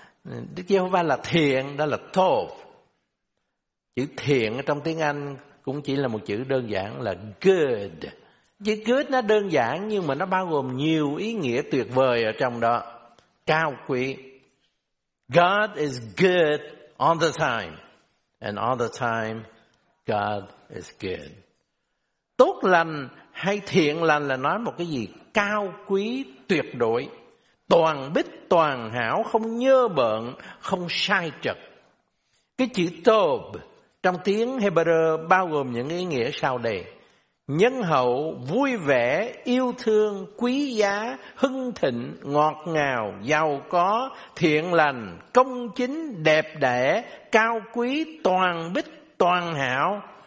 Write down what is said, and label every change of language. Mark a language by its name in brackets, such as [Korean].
[Vietnamese] Đức Giê-hô-va là thiện, đó là tov. Chữ thiện ở trong tiếng Anh cũng chỉ là một chữ đơn giản là good. Chữ good nó đơn giản nhưng mà nó bao gồm nhiều ý nghĩa tuyệt vời ở trong đó. Cao quý. [English] God is good all the time. And all the time, God is good. [Vietnamese] Tốt lành hay thiện lành là nói một cái gì cao quý tuyệt đối. Toàn bích, toàn hảo, không nhơ bợn, không sai trật. Cái chữ tov trong tiếng Hebrew bao gồm những ý nghĩa sau đây: nhân hậu, vui vẻ, yêu thương, quý giá, hưng thịnh, ngọt ngào, giàu có, thiện lành, công chính, đẹp đẽ, cao quý, toàn bích, toàn hảo.